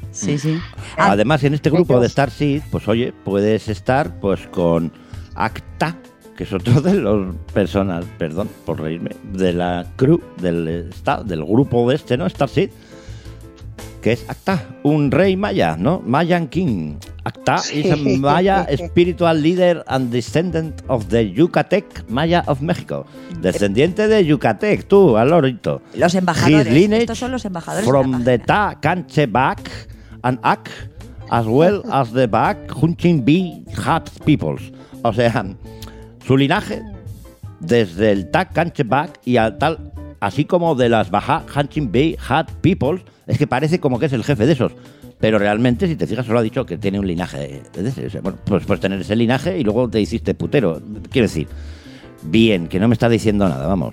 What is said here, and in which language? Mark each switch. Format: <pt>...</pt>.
<es>Sí, sí. Además, en este grupo de Starseed, pues oye, puedes estar pues con ACTA, que es otro de los personas, perdón por reírme, de la crew, del grupo de este, ¿no? Starseed. que es Acta, un rey maya, ¿no?</es> <en>Mayan King. Acta is a Maya spiritual leader and descendant of the Yucatec Maya of Mexico.</en> <es>Descendiente de Yucatec, tú, alorito. Los embajadores.</es> <en>His lineage,</en> <es>estos son los embajadores.</es> <en>From the Ta Canche Bac and Ak, as well as the Bac Hunching Bi Hat peoples.</en> <es>O sea, su linaje desde el Ta Canche Bac y al tal, así como de las Baja Hunching Bi Hat peoples. Es que parece como que es el jefe de esos. Pero realmente, si te fijas, solo ha dicho que tiene un linaje de ese. Bueno, pues puedes tener ese linaje y luego te hiciste putero. Quiero decir, bien, que no me está diciendo nada, vamos.</es>